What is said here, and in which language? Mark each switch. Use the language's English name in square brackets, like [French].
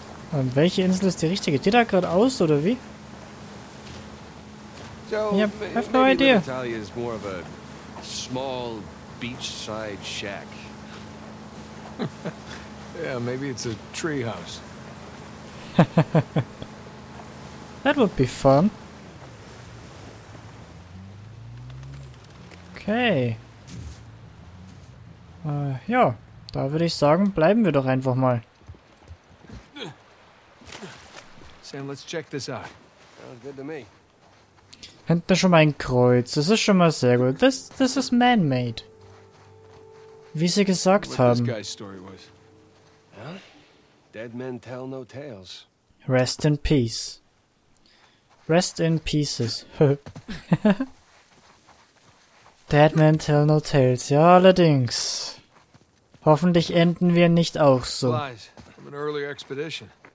[German] Und welche Insel ist die richtige? Geht da gerade aus, oder wie? So, ich hab [English] no idea. Italia is more of a small beachside shack. Yeah, maybe it's a treehouse. That would be fun. Okay. [German] Ja, da würde ich sagen, bleiben wir doch einfach mal. [English] Sam, let's check this out. Sounds good to me. [German] Hinten ist schon mal ein Kreuz. Das ist schon mal sehr gut. [English] This is man-made. [German] Wie sie gesagt [English] what [German] haben. [English] This guy's story was. Huh? Dead men tell no tales. Rest in peace. Rest in pieces. Dead men tell no tales. [German] Ja, allerdings. Hoffentlich enden wir nicht auch so. [English] From an early expedition.